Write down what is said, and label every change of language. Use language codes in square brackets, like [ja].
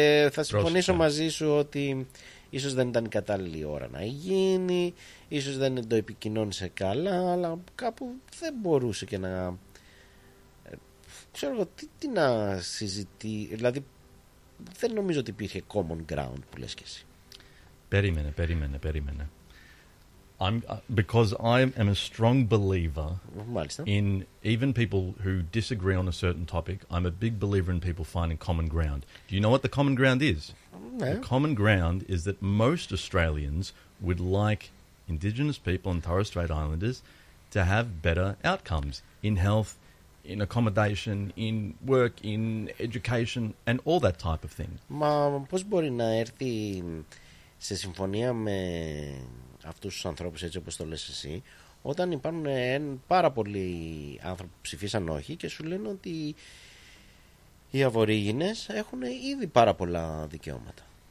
[el] θα συμφωνήσω μαζί σου ότι ίσως δεν ήταν η κατάλληλη ώρα να γίνει, ίσως δεν το επικοινώνησε καλά, αλλά κάπου δεν μπορούσε και να... ξέρω εγώ, τι να συζητεί, δηλαδή δεν νομίζω ότι υπήρχε [en] common ground [el] που λες και εσύ. Περίμενε, περίμενε, περίμενε. [en] Because I am a strong believer in even people who disagree on a certain topic, I'm a big believer in people finding common ground. Do you know what the common ground is? No. The common ground is that most Australians would like Indigenous people and Torres Strait Islanders to have better outcomes in health, in accommodation, in work, in education, and all that type of thing. [el] Μα πώς μπορεί να έρθει σε συμφωνία με αυτούς τους ανθρώπους, έτσι όπως το λες εσύ, όταν υπάρχουν πάρα πολλοί άνθρωποι που ψηφίσαν όχι και σου λένε ότι οι Αβορίγινες έχουν ήδη πάρα πολλά δικαιώματα.